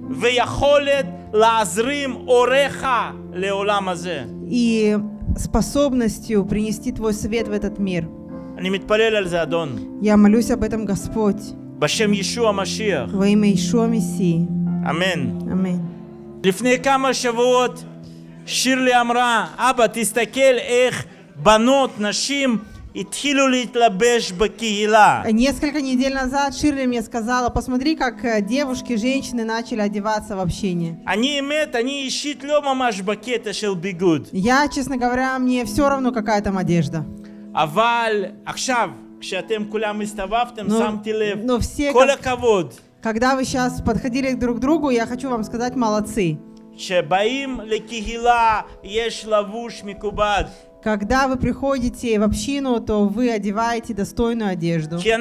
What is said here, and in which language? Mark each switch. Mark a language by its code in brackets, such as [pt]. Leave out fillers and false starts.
[he] ויכולת להזרים אורך לעולם הזה. [ru] И способностью принести твой свет в этот мир. [he] אני מתפלל על זה, אדון. [ru] Я молюсь об этом, Господь. [he] בשם ישוע משיח. [ru] Во имя Иешуа Мессии. [he] Амин. [ru] Амин. [he] לפני כמה שבועות שירלי אמרה: "אבא, תסתכל איך בנות, נשים התחילו להתלבש בקהילה." [ru] Несколько недель назад Ширли мне сказала: "Посмотри, как девушки, женщины начали одеваться в общине." Они имеют, они ищут [he] лёма машбакета של ביגוד. [ru] Я, честно говоря, мне всё равно, какая там одежда. [he] אבל עכשיו, כשאתם כולם הסתובבתם, שמתי לב. [ru] Но все [he] כל הכבוד. [ru] Когда вы сейчас подходили друг к другу, я хочу вам сказать: молодцы. Когда вы приходите в общину, то вы одеваете достойную одежду.